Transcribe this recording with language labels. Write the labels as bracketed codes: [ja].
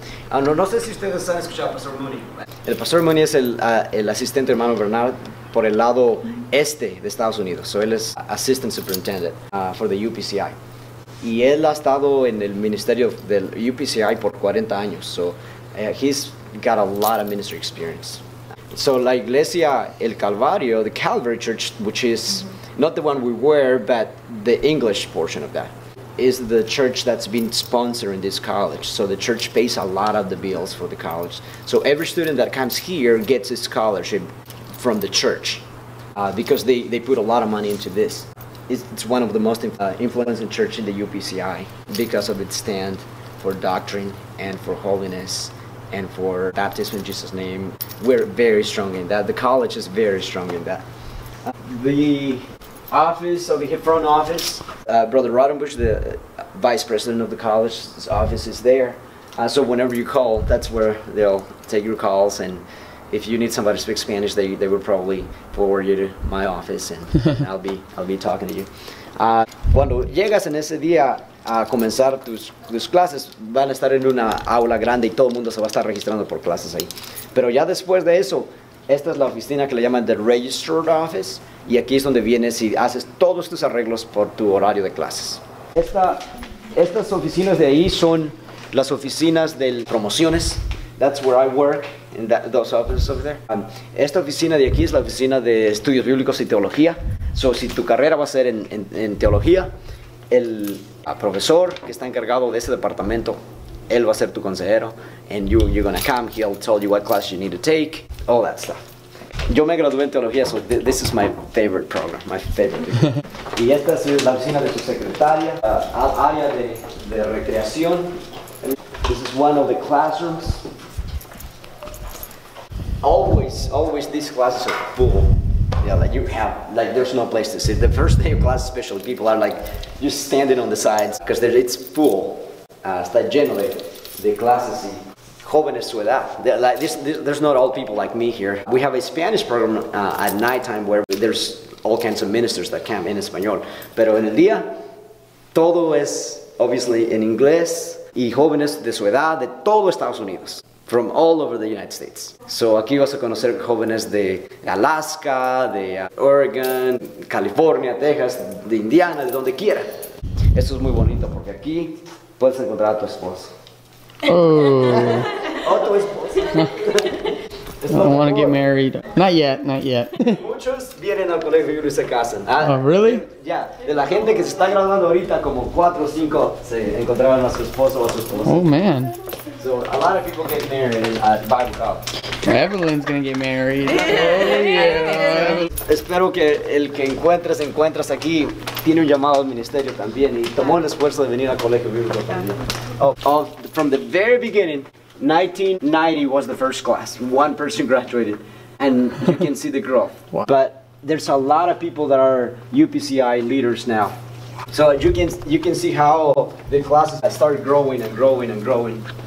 [es] No sé si ustedes han escuchado al Pastor Mooney. El Pastor Mooney es el asistente hermano Bernard por el lado este de Estados Unidos. So él es [en] Assistant Superintendent for the UPCI. [es] Y él ha estado en el ministerio del UPCI por 40 años. [en] So he's got a lot of ministry experience. So [es] la iglesia, el Calvario, [en] the Calvary Church, which is not the one we were, but the English portion of that, is the church that's been sponsoring this college. So the church pays a lot of the bills for the college. So every student that comes here gets a scholarship from the church because they put a lot of money into this. It's one of the most influential church in the UPCI because of its stand for doctrine and for holiness and for baptism in Jesus' name. We're very strong in that. The college is very strong in that. The office of the front office, Brother Rottenbush, the vice president of the college's office, is there. So whenever you call, that's where they'll take your calls. And if you need somebody to speak Spanish, they would probably forward you to my office, and I'll be talking to you. [es] Cuando llegas en ese día a comenzar tus clases, van a estar en una aula grande y todo el mundo se va a estar registrando por clases ahí. Pero ya después de eso, esta es la oficina que le llaman [en] the registered office, [es] y aquí es donde vienes y haces todos tus arreglos por tu horario de clases. Estas oficinas de ahí son las oficinas de promociones. [en] That's where I work, in those offices over there. [es] Esta oficina de aquí es la oficina de estudios bíblicos y teología. So, si tu carrera va a ser en teología, el profesor que está encargado de ese departamento, él va a ser tu consejero. [en] And you're gonna come, he'll tell you what class you need to take, all that stuff. [es] Yo me gradué en teología, [en] so this is my favorite [es] program, my favorite. Y esta es la oficina de su secretaria, área de recreación. [en] This is one of the classrooms. Always these classes are full. Yeah, like you have, like there's no place to sit. The first day of class especially, people are like just standing on the sides because it's full. [es] Está lleno de clases y jóvenes su edad. [en] Like this, there's not all people like me here. We have a Spanish program at nighttime where there's all kinds of ministers that come in Español. [es] Pero en el día, todo es obviously in inglés y jóvenes de su edad de todo Estados Unidos. [en] From all over the United States. [es] So aquí vas a conocer jóvenes de Alaska, de Oregon, California, Texas, de Indiana, de donde quiera. Esto es muy bonito porque aquí puedes encontrar a tu esposo. Oh. O tu esposa. [en] No. I don't want to get married. Not yet. [es] Muchos vienen al colegio y uno se casan. [en] Oh, really? [es] Yeah. De la gente que se está graduando ahorita, como 4 o 5 se encontraban a su esposo o a su esposa. [en] Oh, man. So, a lot of people get married at Bible college. Evelyn's gonna get married. Oh, yeah. [es] Espero que el que encuentras aquí tiene un llamado al ministerio también y tomó el esfuerzo de venir al colegio bíblico también. [en] From the very beginning, 1990 was the first class. One person graduated, and you can see the growth. Wow. But there's a lot of people that are UPCI leaders now. So you can see how the classes started growing and growing and growing.